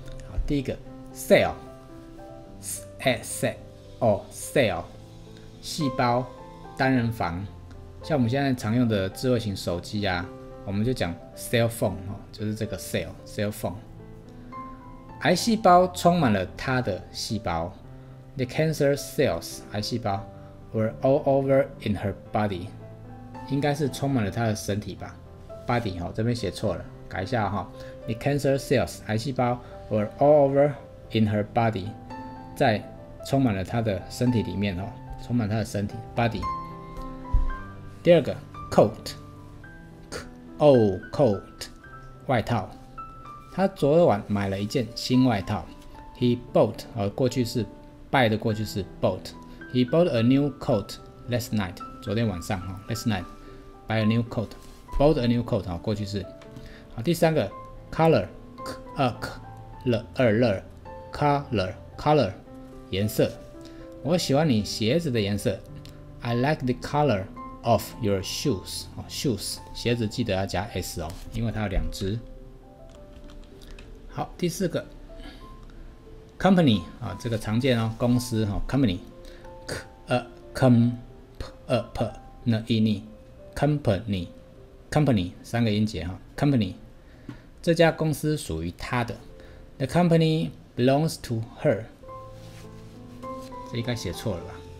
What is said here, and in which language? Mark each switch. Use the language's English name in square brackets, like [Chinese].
[Chinese] 好，第一个 cell 细胞，单人房，像我们现在常用的智慧型手机啊，我们就讲 cell phone 就是这个 cell phone。癌细胞充满了它的细胞。 [English] The cancer cells, [Chinese] 癌细胞 [English] were all over in her body, [Chinese] 应该是充满了她的身体吧。 Body, 这边写错了，改一下哈。 [English] The cancer cells, [Chinese] 癌细胞 [English] were all over in her body, [Chinese] 在充满了她的身体里面，充满她的身体 [English] ,body。 [Chinese] 第二个 coat, 外套。他昨晚买了一件新外套。 [English] He bought, [Chinese] 过去是buy 的过去式 bought。 [English] He bought a new coat last night, [Chinese] 昨天晚上 [English] last night, buy a new coat, bought a new coat, [Chinese] 过去式。好，第三个 color 颜色。我喜欢你鞋子的颜色。 [English] I like the color of your shoes, shoes [Chinese] 鞋子记得要加 s 哦，因为它有两只。好，第四个Company 啊，这个常见哦，公司哦 company 三个音节哈 ，company 这家公司属于他的 ， [English] the company belongs to her， [Chinese] 这应该写错了吧？